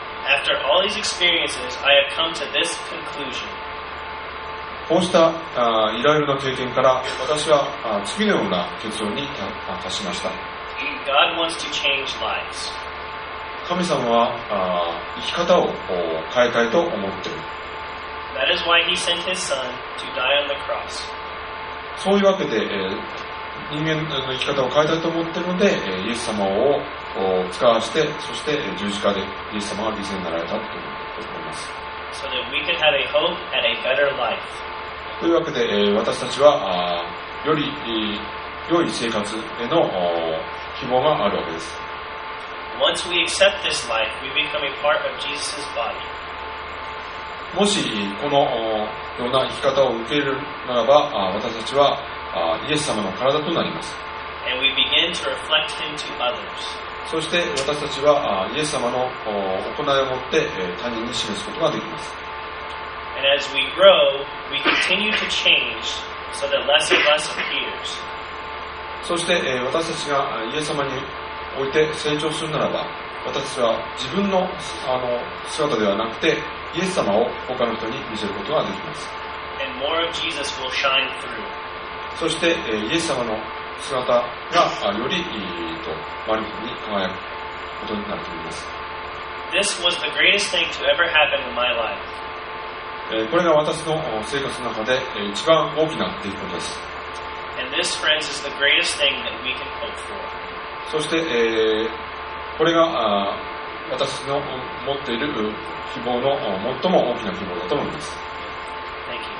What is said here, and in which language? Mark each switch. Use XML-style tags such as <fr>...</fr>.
<en>After all these experiences, I have come to this conclusion.</en> <ja>こうしたいろいろな経験から私は次のような結論に達しました。</ja> <en>God wants to change lives.</en> <ja>神様は生き方を変えたいと思っている。</ja> <en>That is why he sent his son to die on the cross.</en> <ja>そういうわけで人間の生き方を変えたいと思っているのでイエス様を使わせてそして十字架でイエス様が犠牲になられたと思います。</ja> <en>so that we can have a hope and a better life.</en> <ja>というわけで私たちはより良い生活への希望があるわけです。</ja> <en>Once we accept this life, we become a part of Jesus' body.</en> <ja>もしこのような生き方を受けるならば私たちはイエス様の体となります。</ja> <en>And we begin to reflect him to others.</en> <ja>そして私たちはイエス様の行いをもって他人に示すことができます。</ja> <en>And as we grow, we continue to change so that less and less appears.</en> <ja>そして私たちがイエス様において成長するならば私たちは自分の姿ではなくてイエス様を他の人に見せることができます。</ja> <en>And more of Jesus will shine through.</en> <ja>そしてイエス様の姿がより周りに輝くことになると思います。</ja> <en>This was the greatest thing to ever happen in my life.</en> <ja>これが私の生活の中で一番大きな出来事です。</ja> <en>And this, friends, is the greatest thing that we can hope for.</en> <ja>そして、これが私の持っている希望の最も大きな希望だと思います。</ja> <en>Thank you.</en>